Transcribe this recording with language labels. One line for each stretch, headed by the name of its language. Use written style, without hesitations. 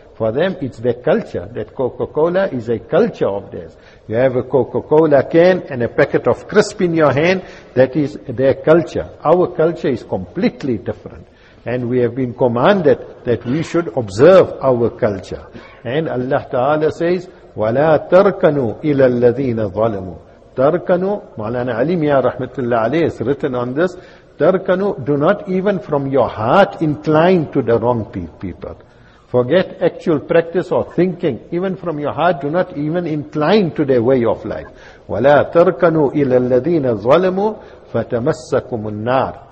English: For them, it's their culture, that Coca-Cola is a culture of theirs. You have a Coca-Cola can and a packet of crisp in your hand, that is their culture. Our culture is completely different. And we have been commanded that we should observe our culture.
Arabic: And Allah Ta'ala says, وَلَا تَرْكَنُوا إِلَى الَّذِينَ ظَلَمُوا.
English: تَرْكَنُوا, Mawlana Ali Mia Rahmatullah Ali has written on this, تَرْكَنُوا, do not even from your heart incline to the wrong people. Forget actual practice or thinking, even from your heart, do not even incline to their way of life.
Arabic: وَلَا تَرْكَنُوا إِلَى الَّذِينَ ظَلَمُوا فَتَمَسَّكُمُ النَّارِ.